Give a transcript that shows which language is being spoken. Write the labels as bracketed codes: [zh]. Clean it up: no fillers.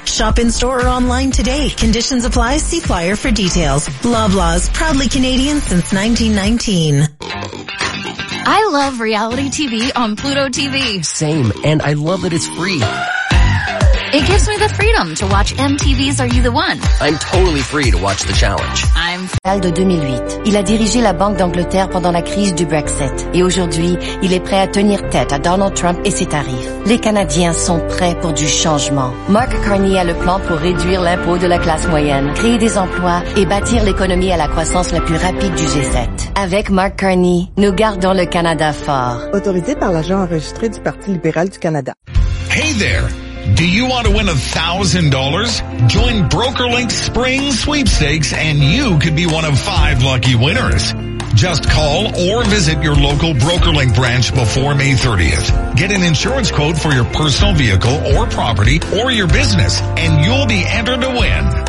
[en] Shop in-store or online today. Conditions apply. See flyer for details. Loblaws, proudly Canadian since 1919. I love reality TV on Pluto TV. Same, and I love that it's free. It gives me the freedom to watch MTV's Are You the One. I'm totally free to watch The Challenge. I'm... [fr] ...de 2008. Il a dirigé la Banque d'Angleterre pendant la crise du Brexit. Et aujourd'hui, il est prêt à tenir tête à Donald Trump et ses tarifs. Les Canadiens sont prêts pour du changement. Mark Carney a le plan pour réduire l'impôt de la classe moyenne, créer des emplois et bâtir l'économie à la croissance la plus rapide du G7. Avec Mark Carney, nous gardons le Canada fort. Autorisé par l'agent enregistré du Parti libéral du Canada. [en] Hey there! Do you want to win $1,000? Join BrokerLink's Spring Sweepstakes and you could be one of five lucky winners. Just call or visit your local BrokerLink branch before May 30th. Get an insurance quote for your personal vehicle or property or your business and you'll be entered to win.